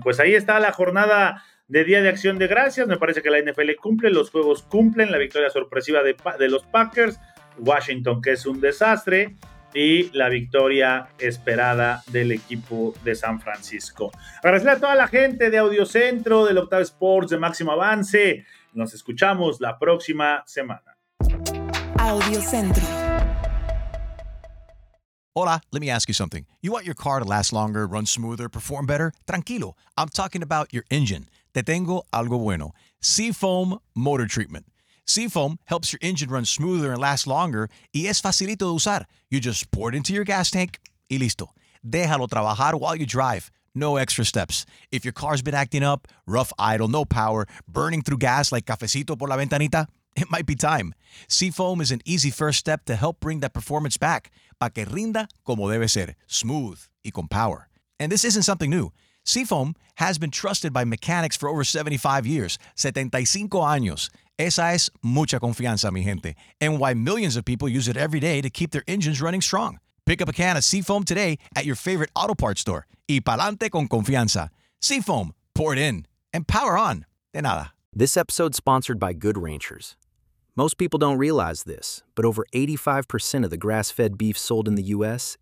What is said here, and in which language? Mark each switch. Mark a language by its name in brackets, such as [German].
[Spanish] Pues ahí está la jornada de Día de Acción de Gracias. Me parece que la NFL cumple, los juegos cumplen, la victoria sorpresiva de los Packers, Washington, que es un desastre, y la victoria esperada del equipo de San Francisco. Agradecer a toda la gente de Audiocentro, del Octavo Sports, de Máximo Avance. Nos escuchamos la próxima semana. Audiocentro. [English] Hola, let me ask you something. You want your car to last longer, run smoother, perform better? Tranquilo, I'm talking about your engine. Te tengo algo bueno. Seafoam Motor Treatment. Seafoam helps your engine run smoother and last longer, [Spanish] y es facilito de usar. [English] You just pour it into your gas tank, [Spanish] y listo. Déjalo trabajar [English] while you drive. No extra steps. If your car's been acting up, rough idle, no power, burning through gas like [Spanish] cafecito por la ventanita, [English] it might be time. Seafoam is an easy first step to help bring that performance back, [Spanish] para que rinda como debe ser, [English] smooth [Spanish] y con [English] power. And this isn't something new. Seafoam has been trusted by mechanics for over 75 years. [Spanish] 75 años. Esa es mucha confianza, mi gente. [English] And why millions of people use it every day to keep their engines running strong. Pick up a can of Seafoam today at your favorite auto parts store. [Spanish] Y pa'lante con confianza. Seafoam. [English] Pour it in. And power on. [Spanish] De nada. [English] This episode is sponsored by Good Ranchers. Most people don't realize this, but over 85% of the grass-fed beef sold in the U.S.